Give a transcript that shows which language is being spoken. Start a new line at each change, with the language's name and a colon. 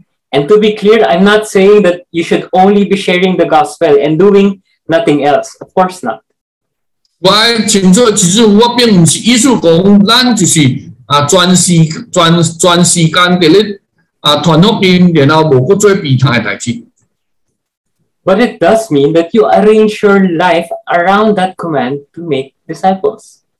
English: And to be clear, I'm not saying that you should only be sharing the gospel and doing nothing else. Of course not.
Min Nan Chinese: 我清楚，其实我并不是意思讲，咱就是啊，专时间的咧啊，传福音，然后无去做其他的代志。
English: But it does mean that you arrange your life around that command to make disciples.